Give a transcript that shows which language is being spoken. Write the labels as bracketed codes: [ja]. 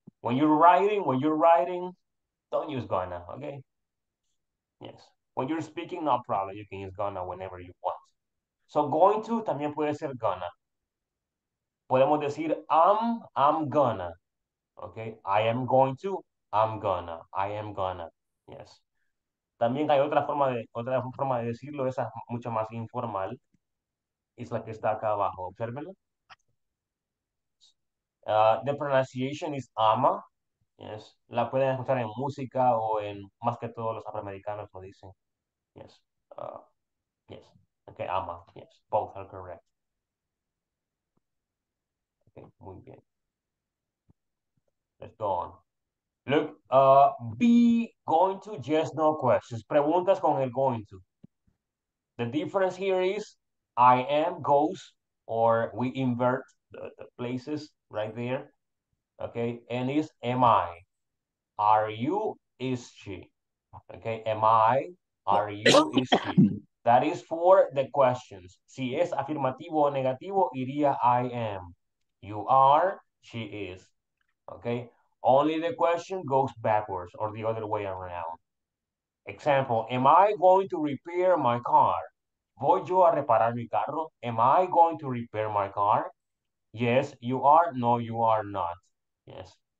[en] When you're writing, don't use gonna, okay? Yes. When you're speaking, no problem. You can use gonna whenever you want. So going to [es] también puede ser [en] gonna. [es] Podemos decir [en] I'm gonna. Okay? I am going to, I'm gonna, I am gonna. Yes. [es] También hay otra forma de decirlo, esa es mucho más informal. Es la que está acá abajo. Obsérvelo. [en] The pronunciation is ama. Yes. [es] La pueden escuchar en música o en más que todos los afroamericanos lo dicen. [en] Yes. Yes. Okay, ama. Yes. Both are correct. [es] Okay, muy bien. [en] Let's go on. Look, be going to, yes, no questions. [es] Preguntas con el going to. [en] The difference here is I am goes, or we invert the places right there. Okay, and is am I. Are you, is she. Okay, am I, are you, is she. That is for the questions. [es] Si es afirmativo o negativo, iría [en] I am. You are, she is. Okay. Only the question goes backwards or the other way around. Example, am I going to repair my car? [es] ¿Voy yo a reparar mi carro? [en] Am I going to repair my car? Yes, you are. No, you are not. Yes.